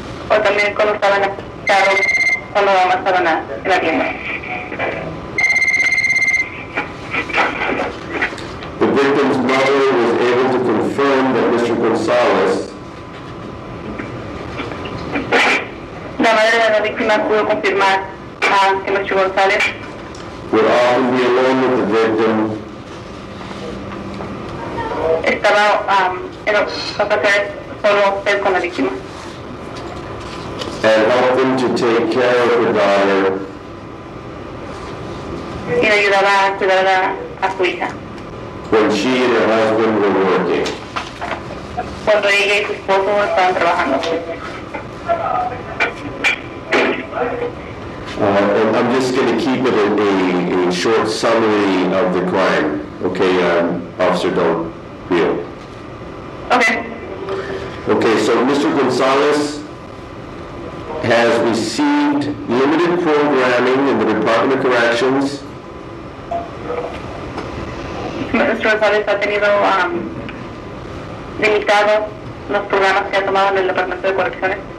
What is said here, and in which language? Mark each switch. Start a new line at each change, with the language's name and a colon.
Spanish: Or también cuando estaba en la carro cuando la mamá estaba en la tienda.
English: The victim's mother was able to confirm that Mr. Gonzalez.
Spanish: La madre de la víctima pudo confirmar que Mr. Gonzalez
English: would often be alone with the victim.
Spanish: Est- estaba hacer solo usted con la víctima.
English: And help him to take care of her daughter.
Spanish: Y ayudaba a cuidar a su hija.
English: When she and her husband were working.
Spanish: Cuando ella y su esposo estaban trabajando.
English: I'm just going to keep it a short summary of the crime, okay, Officer Don Rio. Okay. Okay, so Mr. Gonzalez has received limited programming in the Department of Corrections. Mr.
Spanish: Gonzalez ha tenido limitado los programas que ha tomado en el Departamento de Correcciones.